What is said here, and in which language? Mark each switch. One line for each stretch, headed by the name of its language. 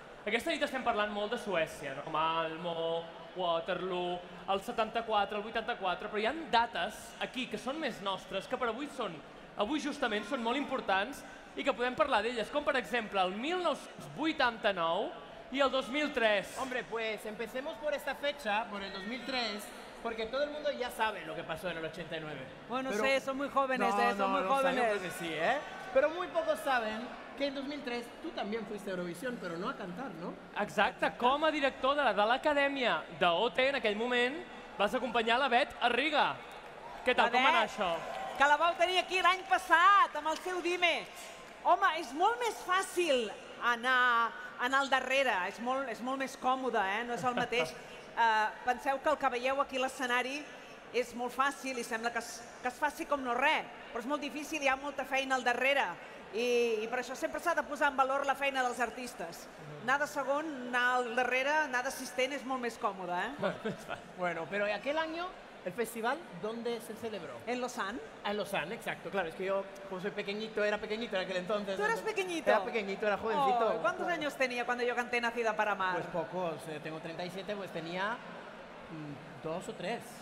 Catalan: Aquesta nit estem parlant molt de Suècia, no? Com Malmö, Waterloo, el 74, el 84, però hi han dates aquí que són més nostres, que per avui són, avui justament són molt importants i que podem parlar d'elles, com per exemple el 1989 i el 2003.
Spanish: Hombre, pues empecemos por esta fecha, por el 2003, porque todo el mundo ya sabe lo que pasó en el 89. Bueno, pero, sí, son muy jóvenes, no, son muy jóvenes. Años, pues, sí, ¿eh? Pero muy pocos saben que en 2003 tú también fuiste a Eurovisión, pero no a cantar, ¿no?
Catalan: Exacte, com a director de l'Acadèmia d'OT, en aquell moment, vas acompanyar la Bet a Riga. Què tal, com va anar això? Que la vau tenir aquí l'any passat, amb el seu Dime. Home, és molt més fàcil anar al darrere, és molt més còmode, eh? No és el mateix. Penseu que el que veieu aquí a l'escenari és molt fàcil i sembla que es faci com no res, però és molt difícil, hi ha molta feina al darrere. I per això sempre s'ha de posar en valor la feina dels artistes. Anar de segon, anar al darrere, anar d'assistent és molt més còmode, eh?
Spanish: Bueno, pero aquel año el festival, ¿dónde se celebró? En Lausanne. Ah, en Lausanne, exacto. Claro, es que yo, como soy pequeñito, era pequeñito en aquel entonces. ¿Tú eras pequeñito? Era pequeñito, era jovencito. Oh, ¿cuántos años tenía cuando yo canté Nacida para Amar? Pues pocos, tengo 37, pues tenía dos o tres.